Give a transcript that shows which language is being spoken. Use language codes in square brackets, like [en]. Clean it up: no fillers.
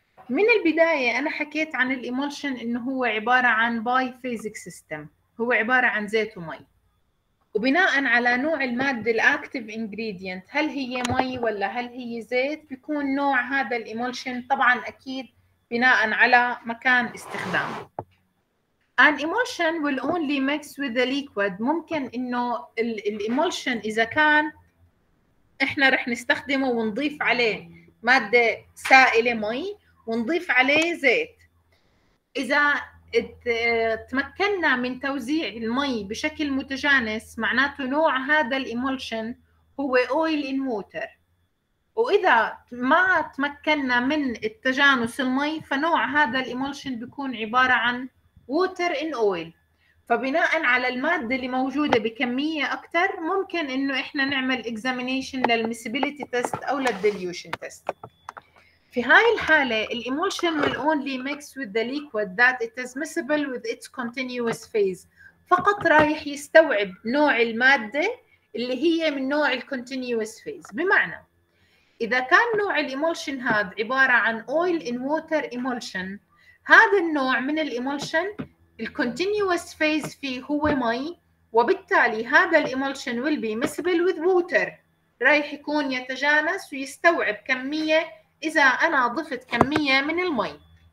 [ar] من البداية أنا حكيت عن الإيموشن إنه هو عبارة عن باي فيزيك سيستم، هو عبارة عن زيت ومي، وبناء على نوع المادة الأكتيف إنجريدينت، هل هي مي ولا هل هي زيت، بيكون نوع هذا الإيموشن طبعا أكيد بناء على مكان استخدامه. [en] An emulsion will only mix with the liquid. [ar] ممكن إنه الإيموشن إذا كان إحنا رح نستخدمه ونضيف عليه مادة سائلة مي ونضيف عليه زيت. إذا تمكننا من توزيع المي بشكل متجانس، معناته نوع هذا الإيموشن هو [en] oil in water. [ar] وإذا ما تمكننا من التجانس المي، فنوع هذا الإيموشن بيكون عبارة عن [en] water in oil. [ar] فبناء على المادة اللي موجودة بكمية أكتر، ممكن إنه إحنا نعمل examination للmissibility test أو للdilution test. في هاي الحالة الـ [en] emulsion will only mix with the liquid that it is miscible with its continuous phase. [ar] فقط رايح يستوعب نوع المادة اللي هي من نوع الـ continuous phase. بمعنى إذا كان نوع الـ emulsion هذا عبارة عن [en] oil in water emulsion، [ar] هذا النوع من الـ emulsion الـ continuous phase فيه هو مي، وبالتالي هذا الـ emulsion [en] will be miscible with water، [ar] رايح يكون يتجانس ويستوعب كمية إذا أنا ضفت كمية من المي.